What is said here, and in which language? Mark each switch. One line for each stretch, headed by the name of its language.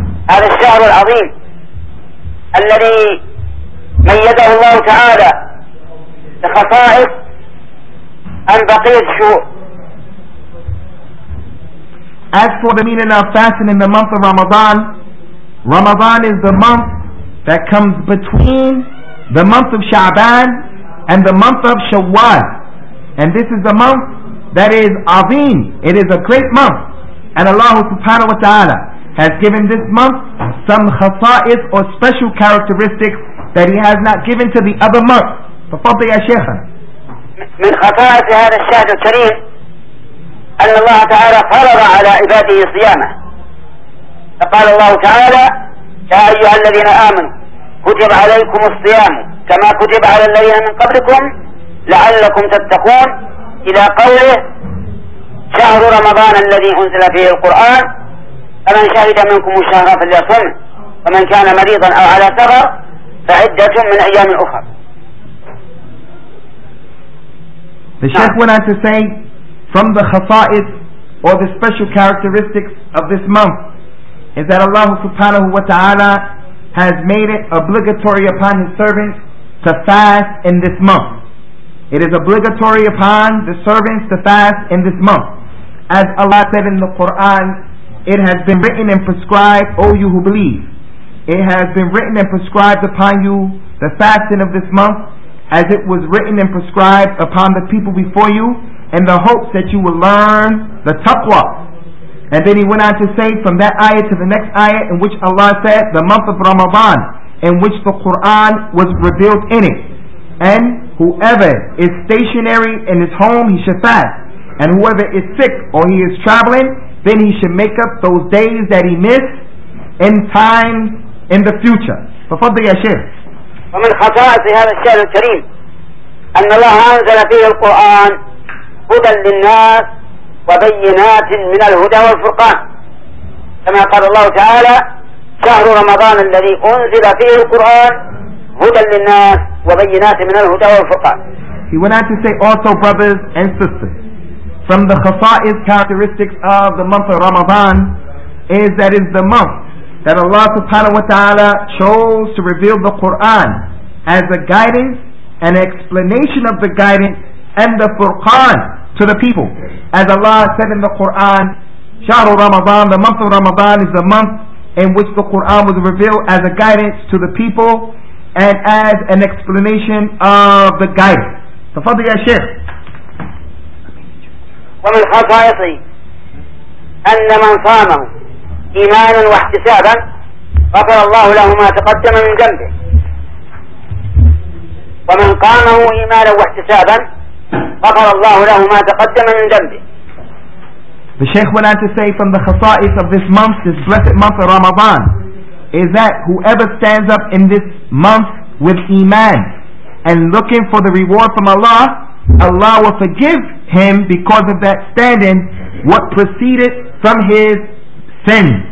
Arabic: هذا الشهر العظيم الذي ميده الله تعالى بخصائص عن بقية الشهور.
English: As for the meaning of fasting in the month of Ramadan, Ramadan is the month that comes between the month of Sha'ban and the month of Shawwal, and this is the month that is azim. It is a great month, and Allah subhanahu wa ta'ala has given this month some khasa'is or special characteristics that he has not given to the other month.
Arabic: Tafaddal ya shaykh. من خصائص هذا الشهر الكريم أن الله تعالى فرض على عباده صيامه. فقال الله تعالى: يا أيها الذين آمنوا كتب عليكم الصيام كما كتب على الذين من قبلكم لعلكم تتقون. إلى قوله: شهر رمضان الذي أنزل فيه القرآن فمن شهد منكم الشهر فليصم ومن كان مريضا أو على سفر فعدة من أيام أخر.
English: The Sheikh went on to say, from the khasa'is or the special characteristics of this month is that Allah subhanahu wa ta'ala has made it obligatory upon his servants to fast in this month. It is obligatory upon the servants to fast in this month. As Allah said in the Quran, it has been written and prescribed, O you who believe, it has been written and prescribed upon you the fasting of this month, as it was written and prescribed upon the people before you, in the hopes that you will learn the taqwa. And then he went on to say, from that ayah to the next ayah, in which Allah said, the month of Ramadan, in which the Quran was revealed in it. And whoever is stationary in his home, he should fast. And whoever is sick or he is traveling, then he should make up those days that he missed in time in the future.
Arabic: Tafaddal ya shaykh. ومن خصائص هذا الشهر الكريم أن الله أنزل فيه القرآن هدى للناس وبينات من الهدى والفرقان كما قال الله تعالى شهر رمضان الذي أنزل فيه القرآن هدى للناس وبينات من الهدى والفرقان.
English: He went on to say, also brothers and sisters, from the khasa'is characteristics of the month of Ramadan is that it's the month that Allah subhanahu wa ta'ala chose to reveal the Quran as a guidance and explanation of the guidance and the Furqan to the people. As Allah said in the Quran,
Arabic: شهر رمضان,
English: the month of Ramadan is the month in which the Quran was revealed as a guidance to the people and as an explanation of the guidance.
Arabic: Tafaddal ya shaykh. ومن خصائصه أن من صامه إيمانا واحتسابا غفر الله له ما تقدم من ذنبه ومن قامه إيمانا واحتسابا غفر الله له ما تقدم من ذنبه.
English: The Shaykh went on to say, from the khasa'is of this month, this blessed month of Ramadan, is that whoever stands up in this month with Iman and looking for the reward from Allah, Allah will forgive him because of that standing what proceeded from his sin.